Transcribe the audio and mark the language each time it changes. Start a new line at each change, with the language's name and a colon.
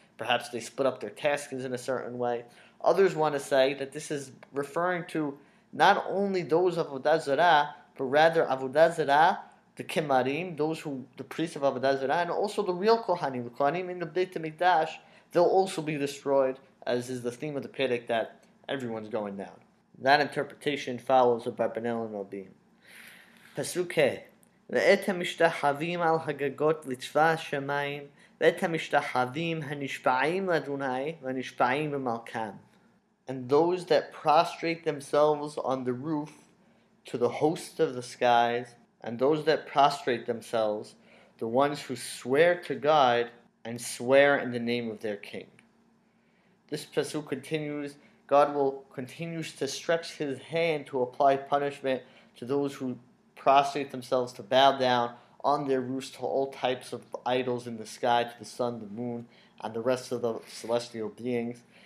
English: Perhaps they split up their tasks in a certain way. Others want to say that this is referring to not only those of Avodah Zarah, but rather Avodah Zarah, the Kemarim, those who the priests of Avodah Zarah, and also the real Kohanim, the Kohanim in the Beit HaMikdash, they'll also be destroyed, as is the theme of the Pidik that everyone's going down. That interpretation follows the Barbanel and Obim. Pasukeh.
Hebrew: ואת המשתחווים על הגגות לצבא השמיים, ואת המשתחווים הנשבעים לאדוני והנשבעים במלכם.
English: And those that prostrate themselves on the roof to the host of the skies, and those that prostrate themselves, the ones who swear to God and swear in the name of their king. This pasuk continues, God will continue to stretch his hand to apply punishment to those who prostrate themselves to bow down on their roofs to all types of idols in the sky, to the sun, the moon, and the rest of the celestial beings.